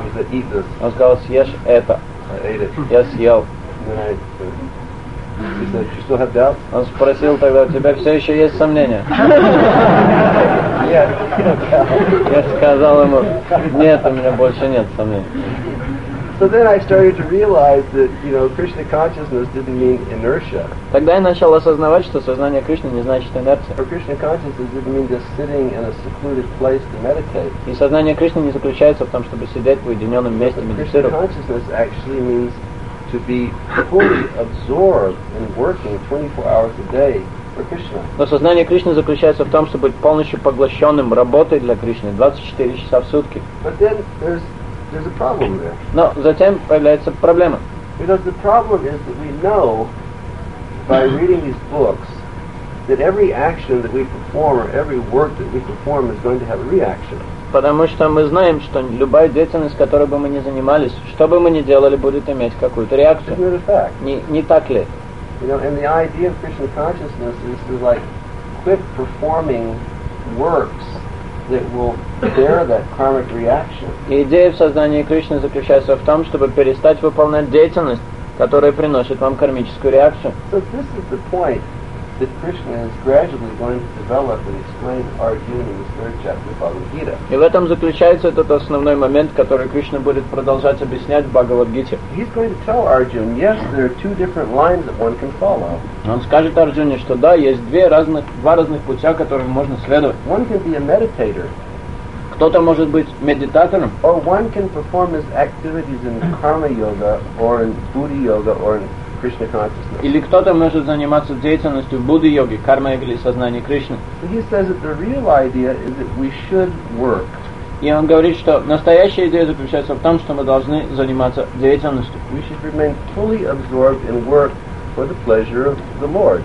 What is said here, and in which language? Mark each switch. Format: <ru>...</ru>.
<en>He said, "Eat this."</en> <ru>Он сказал, съешь это.</ru> <en>I ate it.</en> <ru>Я съел.</ru> <en>He said, "Do you still have doubts?"</en> <ru>Он спросил тогда, у тебя все еще есть сомнения? Я сказал ему, нет, у меня больше нет сомнений.</ru> <en>So then I started to realize that, you know, Krishna consciousness didn't mean inertia.</en> <ru>Тогда я начал осознавать, что сознание Кришны не значит инерция.</ru> <en>Or Krishna consciousness didn't mean just sitting in a secluded place to meditate.</en> <ru>И сознание Кришны не заключается в том, чтобы сидеть в уединенном месте медитировать.</ru> <en>Krishna consciousness actually means to be fully absorbed in working 24 hours a day for Krishna.</en> <ru>Но сознание Кришны заключается в том, чтобы быть полностью поглощенным работой для Кришны 24 часа в сутки.</ru> <en>But then there's a problem there.</en> <ru>Но затем появляется проблема.</ru> <en>Because the problem is that we know by reading these books that every action that we perform or every work that we perform is going to have a reaction.</en> <ru>Потому что мы знаем, что любая деятельность, которой бы мы ни занимались, что бы мы ни делали, будет иметь какую-то реакцию. Не так ли?</ru> <en>You know, and the idea of Krishna consciousness is to like quit performing works that will bear that karmic reaction.</en> <ru>Идея в сознании Кришны заключается в том, чтобы перестать выполнять деятельность, которая приносит вам кармическую реакцию.</ru> <en>So this is the point that Krishna is gradually going to develop and explain Arjuna in the third chapter of Bhagavad Gita.</en> <ru>И в этом заключается этот основной момент, который Кришна будет продолжать объяснять в Бхагавад-гите.</ru> <en>He's going to tell Arjuna, yes, there are two different lines that one can follow.</en> <ru>Он скажет Арджуне, что да, есть два разных путя, которым можно следовать.</ru> <en>One can be a meditator.</en> <ru>Кто-то может быть медитатором.</ru> <en>Or one can perform his activities in karma yoga or in buddhi yoga or in Krishna consciousness.</en> <ru>Или кто-то может заниматься деятельностью Будды-йоги, карма-йоги или сознания Кришны.</ru> <en>So he says that the real idea is that we should work.</en> <ru>И он говорит, что настоящая идея заключается в том, что мы должны заниматься деятельностью.</ru> <en>We should remain fully absorbed in work for the pleasure of the Lord.</en>